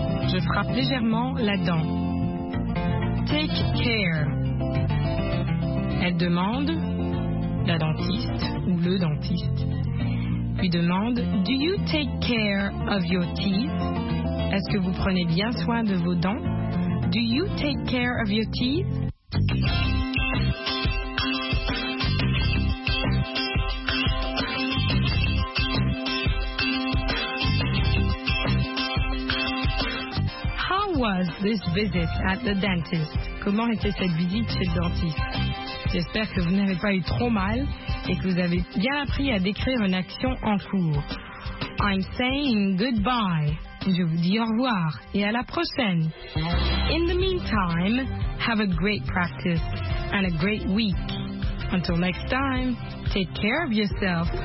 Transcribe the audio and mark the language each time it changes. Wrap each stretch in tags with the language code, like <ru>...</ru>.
<fr>Je frappe légèrement la dent.</fr> <en>Take care.</en> <fr>Elle demande, la dentiste ou le dentiste, lui demande,</fr> <en>do you take care of your teeth?</en> <fr>Est-ce que vous prenez bien soin de vos dents?</fr> <en>Do you take care of your teeth? How was this visit at the dentist?</en> <fr>Comment était cette visite chez le dentiste? J'espère que vous n'avez pas eu trop mal et que vous avez bien appris à décrire une action en cours.</fr> <en>I'm saying goodbye.</en> <fr>Je vous dis au revoir et à la prochaine.</fr> <en>In the meantime, have a great practice and a great week. Until next time, take care of yourself.</en>